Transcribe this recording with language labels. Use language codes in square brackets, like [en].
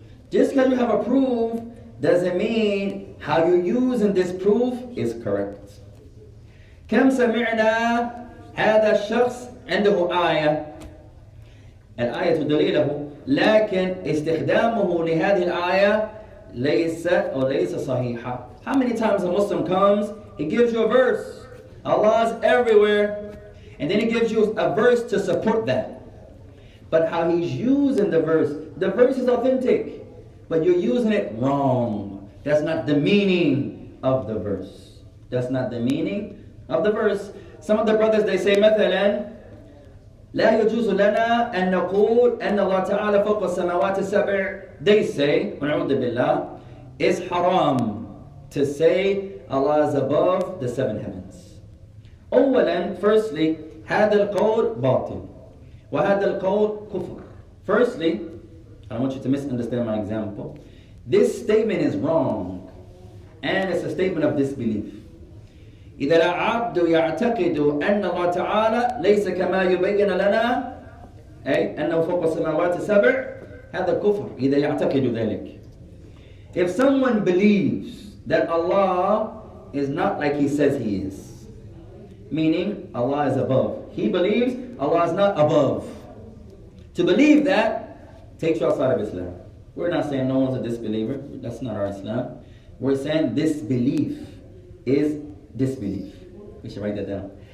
[en] Just because you have a proof doesn't mean how you use in this proof is correct. [ar] كم سمعنا هذا الشخص عنده آية. الآية دليله. لكن استخدامه لهذه الآية ليس أو ليس صحيحة. [en] How many times a Muslim comes, he gives you a verse. Allah is everywhere. And then he gives you a verse to support that. But how he's using the verse is authentic. But you're using it wrong. That's not the meaning of the verse. That's not the meaning of the verse. Some of the brothers, they say, [ar] مثلاً, لا يجوز لنا أن نقول أن الله تعالى فوق السماوات السبع. [en] They say, [ar] ونعوذ بالله, [en] it's haram to say Allah is above the seven heavens. [ar] أولا, [en] firstly, [ar] هذا القول باطل. وهذا القول كفر. [en] Firstly, I don't want you to misunderstand my example. This statement is wrong. And it's a statement of disbelief. [ar] إذا العبد يعتقد أن الله تعالى ليس كما يبين لنا أي أنه فوق السماوات السبع هذا كفر إذا يعتقد ذلك. [en] If someone believes that Allah is not like he says he is, meaning Allah is above, he believes Allah is not above. To believe that takes you outside of Islam. We're not saying no one's a disbeliever. That's not our Islam. We're saying this belief is disbelief. We should write that down.